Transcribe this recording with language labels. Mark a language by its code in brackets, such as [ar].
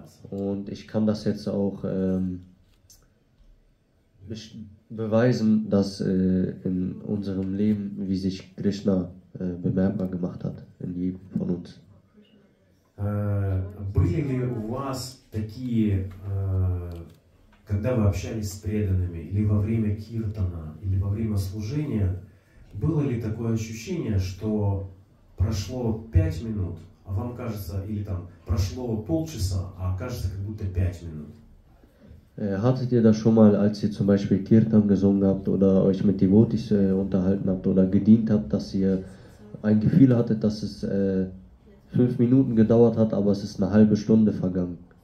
[de] Und ich kann das jetzt auch beweisen, dass in unserem Leben, wie sich Krishna bemerkbar gemacht hat, in jedem von uns. [ru] Были ли у вас такие, когда вы общались с преданными, или во время киртана, или во время служения, было ли такое ощущение, что прошло 5 минут, а вам кажется, или там прошло полчаса, а кажется, как будто 5 минут? [de] Hattet ihr das schon mal, als ihr zum Beispiel Kirtan gesungen habt oder euch mit Devotis unterhalten habt oder gedient habt, dass ihr ein Gefühl hattet, dass es 5 Minuten gedauert hat, aber es ist eine halbe Stunde vergangen?